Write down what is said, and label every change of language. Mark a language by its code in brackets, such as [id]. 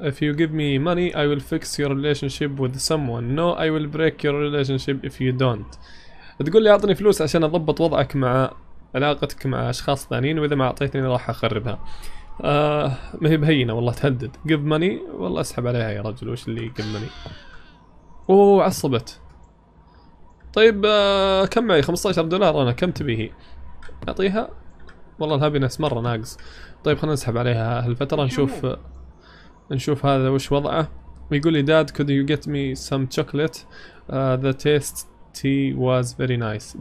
[en] If you give me money, I will fix your relationship with someone. No, I will break your relationship if you don't. [ar] تقول لي أعطني فلوس عشان أضبط وضعك مع علاقتك مع أشخاص ثانيين، وإذا ما أعطيتني راح أخربها. ما هي بهينة والله، تهدد. [en] Give money. [ar] والله أسحب عليها يا رجل، وش اللي [en] give money. [ar] أوه عصبت. طيب كم معي؟ 15 دولار أنا، كم تبيه؟ أعطيها. والله الهابينس مرة ناقص. طيب خلنا نسحب عليها هالفترة، نشوف هذا وش وضعه. يقول لي داد [en] could you get me some chocolate the taste tea was very nice.